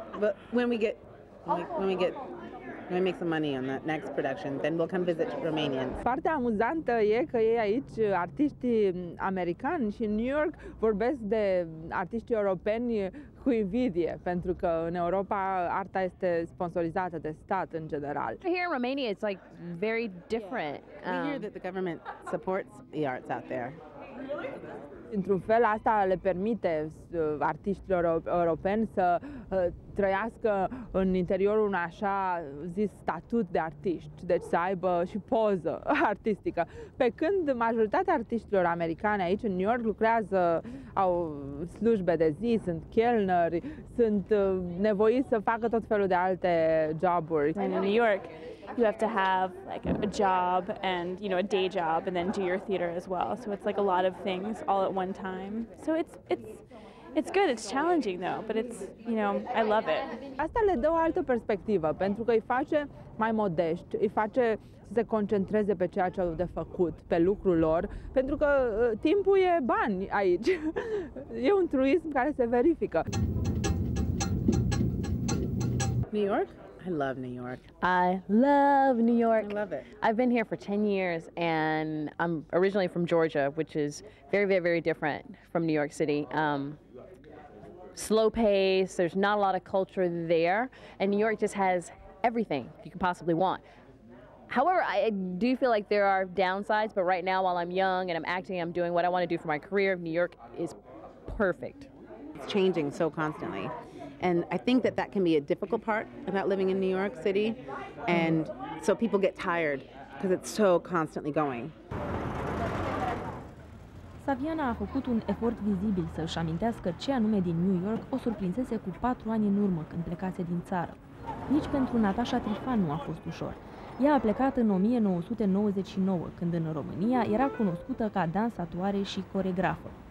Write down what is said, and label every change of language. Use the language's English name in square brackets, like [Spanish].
[English] But when we make some money on that next production, then we'll come visit Romanians. [Romanian] Partea amuzantă e că ei aici, artiștii americani și în New York, vorbesc de artiști europeni cu invidie, pentru că în Europa arta este sponsorizată de stat în general. [English] Here in Romania it's like very different. Yeah. We hear that the government supports the arts out there. [Romanian] Într-un fel, asta le permite artiștilor europeni să trăiască în interiorul unui așa zis statut de artiști, deci să aibă și poză artistică. Pe când majoritatea artiștilor americani aici în New York lucrează, au slujbe de zi, sunt chelneri, sunt nevoiți să facă tot felul de alte joburi. [English] In New York, you have to have like a job and, you know, a day job and then do your theater as well. So it's like a lot of things all at one time. So it's good. It's challenging though, but it's, you know, I love it. [Romanian] Asta le dă o altă perspectivă, pentru că îi face mai modești, îi face să se concentreze pe ceea ce au de făcut, pe lucrul lor, pentru că timpul e bani aici. E un truism care se verifică. [English] New York? I love New York. I love New York. I love it. I've been here for 10 years and I'm originally from Georgia, which is very, very, very different from New York City. Slow pace, there's not a lot of culture there, and New York just has everything you could possibly want. However, I do feel like there are downsides, but right now while I'm young and I'm acting, I'm doing what I want to do for my career, New York is perfect. It's changing so constantly. And I think that that can be a difficult part about living in New York City. And so people get tired because it's so constantly going. [Romanian] Saviana a făcut un efort vizibil să își amintească ce anume din New York o surprinsese cu 4 ani în urmă când plecase din țară. Nici pentru Natasha Trifan nu a fost ușor. Ea a plecat în 1999, când în România era cunoscută ca dansatoare și coregrafă.